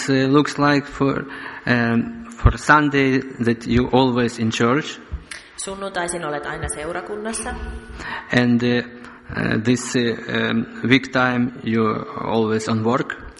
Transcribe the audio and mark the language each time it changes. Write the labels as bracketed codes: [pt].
[en] Looks like for Sunday that you always in church. [fi] Sunnuntaisin olet aina seurakunnassa. [en] And this week time you always on work.